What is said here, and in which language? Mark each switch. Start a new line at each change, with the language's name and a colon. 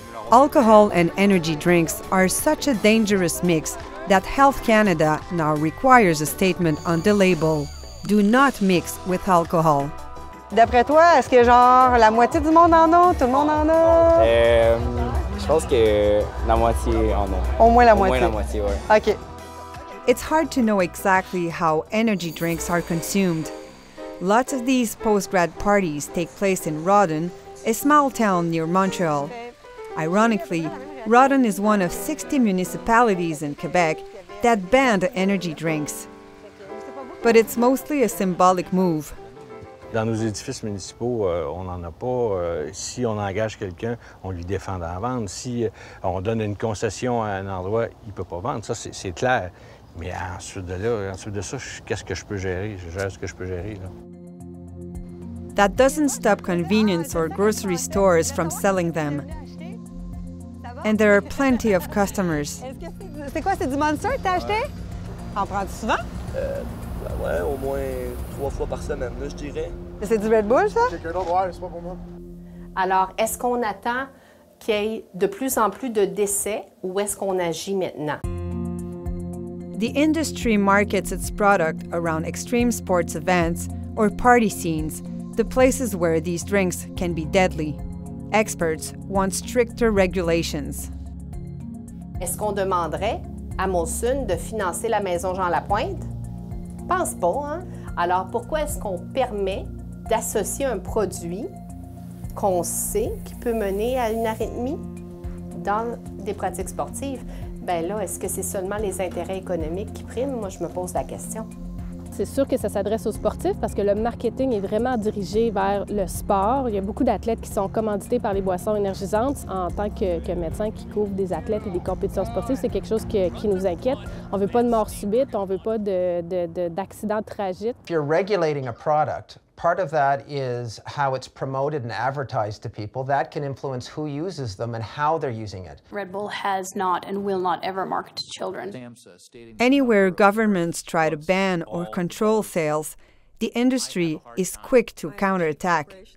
English: Alcohol and energy drinks are such a dangerous mix that Health Canada now requires a statement on the label. Do not mix with alcohol.
French: D'après toi, est-ce que genre la moitié du monde en a? Tout le monde en a? Je pense que la moitié en a. Au moins la moitié. Au moins la moitié, ouais. OK.
English: It's hard to know exactly how energy drinks are consumed. Lots of these post-grad parties take place in Rawdon, a small town near Montreal. Ironically, Rawdon is one of 60 municipalities in Quebec that banned energy drinks. But it's mostly a symbolic move.
French: Dans nos édifices municipaux, on n'en a pas. Si on engage quelqu'un, on lui défend d'en vendre. Si on donne une concession à un endroit, il ne peut pas vendre. Ça, c'est clair. Mais ensuite de ça, qu'est-ce que je peux gérer? Je gère ce que je peux gérer, là.
English: That doesn't stop convenience or grocery stores from selling them. And there are plenty of customers.
French: C'est quoi, c'est du Monster que t'as acheté? En prends-tu souvent? Ouais, au moins trois fois par semaine, là, je dirais. C'est du Red Bull, ça? J'ai quelqu'un d'autre, ouais, c'est pas pour moi. Alors, est-ce qu'on attend qu'il y ait de plus en plus de décès ou est-ce qu'on agit maintenant?
English: The industry markets its product around extreme sports events or party scenes, the places where these drinks can be deadly. Experts want stricter regulations.
French: Est-ce qu'on demanderait à Molson de financer la maison Jean Lapointe? Pense pas, hein? Alors pourquoi est-ce qu'on permet d'associer un produit qu'on sait qui peut mener à une arythmie dans des pratiques sportives? Ben là, est-ce que c'est seulement les intérêts économiques qui priment? Moi, je me pose la question. C'est sûr que ça s'adresse aux sportifs parce que le marketing est vraiment dirigé vers le sport. Il y a beaucoup d'athlètes qui sont commandités par les boissons énergisantes. En tant que médecin qui couvre des athlètes et des compétitions sportives, c'est quelque chose qui nous inquiète. On ne veut pas de mort subite, on ne veut pas d'accident tragique.
English: If you're regulating a product, part of that is how it's promoted and advertised to people. That can influence who uses them and how they're using it. Red Bull has not and will not ever market to children. Anywhere governments try to ban or control sales, the industry is quick to counterattack.